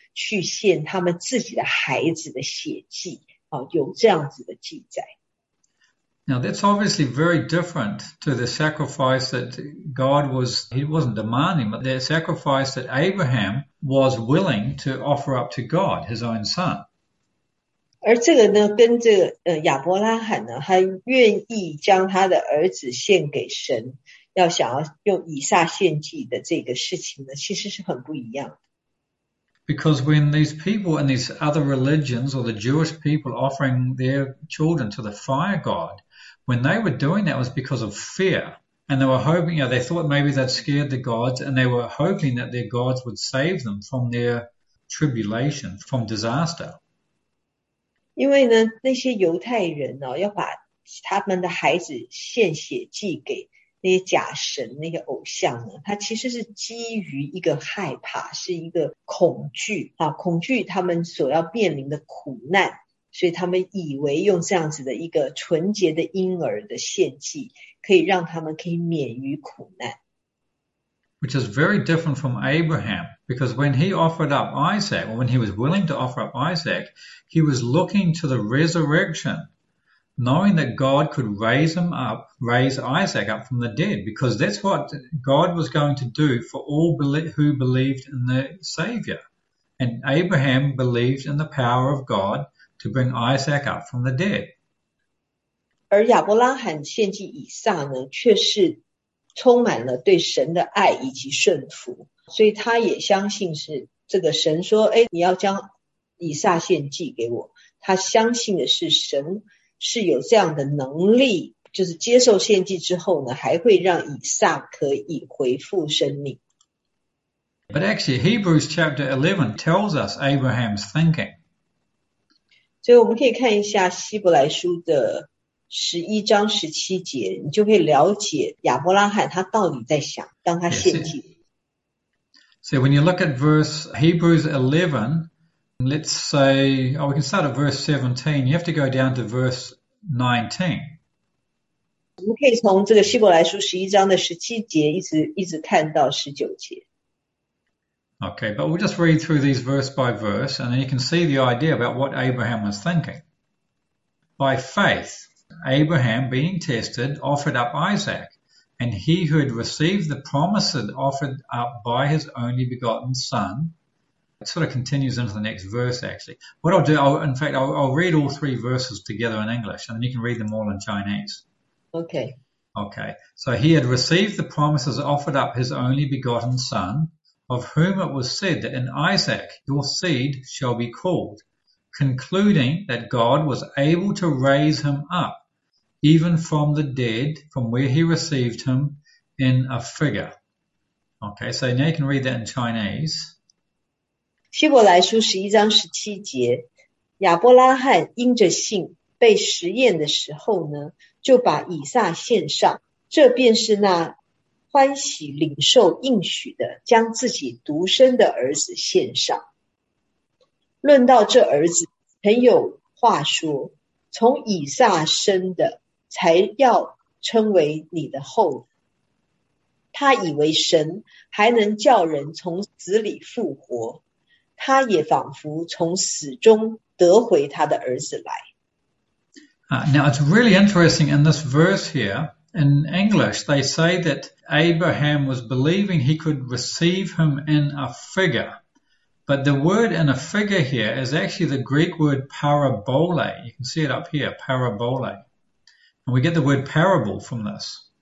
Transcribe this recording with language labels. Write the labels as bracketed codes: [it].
[zh] 去献他们自己的孩子的血祭，啊，有这样子的记载。 [en] Now that's obviously very different to the sacrifice that he wasn't demanding, but the sacrifice that Abraham was willing to offer up to God, his own son. [zh] 而这个呢，跟这个亚伯拉罕呢，他愿意将他的儿子献给神，要想要用以撒献祭的这个事情呢，其实是很不一样的。 [en] Because when these people in these other religions or the Jewish people offering their children to the fire god, when they were doing that was because of fear. And they were hoping, they thought maybe they'd scared the gods, and they were hoping that their gods would save them from their tribulation, from disaster. [zh] 因为呢，那些犹太人呢，要把他们的孩子献血祭给那些假神、那些偶像呢，他其实是基于一个害怕，是一个恐惧啊，恐惧他们所要面临的苦难，所以他们以为用这样子的一个纯洁的婴儿的献祭，可以让他们可以免于苦难。 [en] Which is very different from Abraham, because when he offered up Isaac, or when he was willing to offer up Isaac, he was looking to the resurrection, knowing that God could raise him up, raise Isaac up from the dead, because that's what God was going to do for all who believed in the Savior. And Abraham believed in the power of God to bring Isaac up from the dead. [zh] 而亚伯拉罕献祭以撒呢，却是充满了对神的爱以及顺服，所以他也相信是这个神说：“哎，你要将以撒献祭给我。 ”他相信的是神是有这样的能力，就是接受献祭之后呢，还会让以撒可以回复生命。 [en] But actually, Hebrews chapter 11 tells us Abraham's thinking. [zh] 所以我们可以看一下希伯来书的11章17节，你就可以了解亚伯拉罕他到底在想，当他 [en] Yes. [zh] 献祭。 [en] So when you look at verse Hebrews 11, let's say, we can start at verse 17. You have to go down to verse 19. [zh] 我们可以从这个希伯来书11章的17节一直看到19节。 [en] Okay, but we'll just read through these verse by verse, and then you can see the idea about what Abraham was thinking. By faith, Abraham, being tested, offered up Isaac, and he who had received the promises offered up by his only begotten son. It sort of continues into the next verse, actually. What I'll do, in fact, I'll read all three verses together in English, and then you can read them all in Chinese. Okay. Okay, so he had received the promises offered up his only begotten son, of whom it was said that in Isaac your seed shall be called, concluding that God was able to raise him up even from the dead, from where he received him in a figure. Okay, so now you can read that in Chinese. [zh] 希伯来书11:17，亚伯拉罕因着信被实验的时候呢，就把以撒献上，这便是那欢喜领受应许的，将自己独生的儿子献上。论到这儿子，曾有话说，从以撒生的才要称为你的后。他以为神还能叫人从死里复活。他也仿佛从死中得回他的儿子来。 [en] Now it's really interesting in this verse here. In English, they say that Abraham was believing he could receive him in a figure, but the word "in a figure" here is actually the Greek word parabole. You can see it up here, parabole, and we get the word parable from this.